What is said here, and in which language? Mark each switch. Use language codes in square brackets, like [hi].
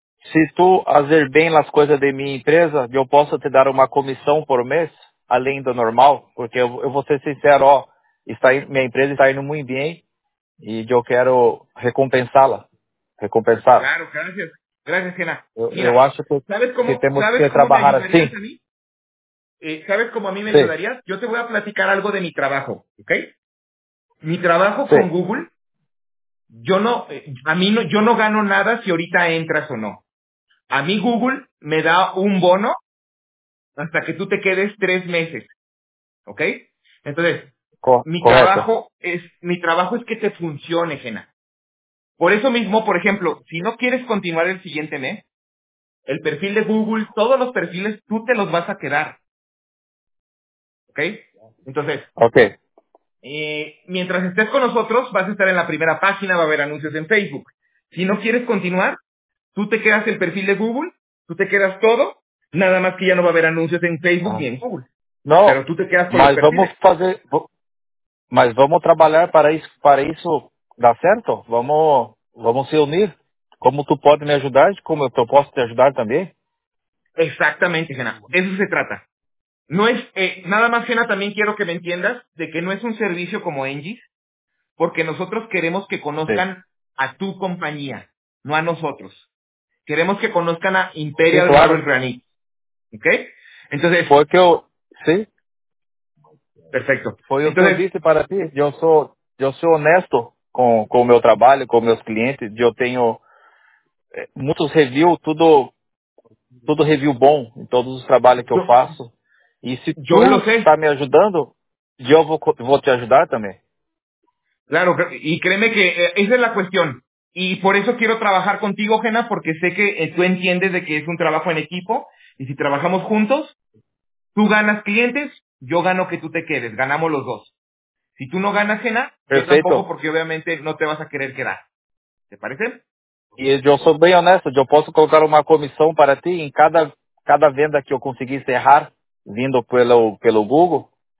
[pt] Se tu fazer bem as coisas de minha empresa, eu posso te dar uma comissão por mês, além do normal, porque eu vou ser sincero, minha empresa está indo muito bem e eu quero recompensá-la. [es] Claro, gracias. Gracias, Jena. Mira, yo [pt] acho [es] que, tenemos que trabajar así. ¿Sabes cómo a mí me ayudaría? Yo te voy a platicar algo de mi trabajo, ¿ok? Mi trabajo con Google Yo no, a mí no, yo no gano nada si ahorita entras o no. A mí Google me da un bono hasta que tú te quedes 3 meses. ¿Ok? Entonces, mi trabajo es que te funcione, Jena. Por eso mismo, por ejemplo, si no quieres continuar el siguiente mes, el perfil de Google, todos los perfiles, tú te los vas a quedar. ¿Ok? Entonces, okay. Mientras estés con nosotros, vas a estar en la primera página, va a haber anuncios en Facebook. Si no quieres continuar, tú te quedas el perfil de Google, tú te quedas todo, nada más que ya no va a haber anuncios en Facebook ni en Google. No, pero tú te quedas con los perfiles. [pt] Mas vamos trabalhar para isso dar certo? Vamos se unir? Como tu pode me ajudar? Como eu posso te ajudar também? Exatamente, [es] Jena. Eso se trata. No es, nada más, Jena, también quiero que me entiendas de que no es un servicio como Engie, porque nosotros queremos que conozcan a tu compañía, no a nosotros. Queremos que conozcan a Imperial Barrel Granite. ¿Ok? Entonces... Porque yo... Sí. Perfecto. [pt] Foi o que eu disse para ti. Eu sou honesto com o meu trabalho, com meus clientes. Eu tenho muitos reviews, tudo review bom em todos os trabalhos que eu faço. E se tu está me ajudando, eu vou te ajudar também. Claro, e [es] créeme [pt] que essa é a questão. E por isso quero trabalhar contigo, Jena, porque sei que tu [es] entiendes de que [pt] é um trabalho em [es] equipo. [pt] E se trabalhamos juntos, tu [es] ganas [pt] clientes. [es] Yo gano que tú te quedes, ganamos los dos. Si tú no ganas, Jena, perfecto. Yo tampoco, porque obviamente no te vas a querer quedar. ¿Te parece? Y yo soy bien honesto, yo puedo colocar una comisión para ti en cada [pt] venda [es] que yo conseguí cerrar, [pt] vindo pelo Google.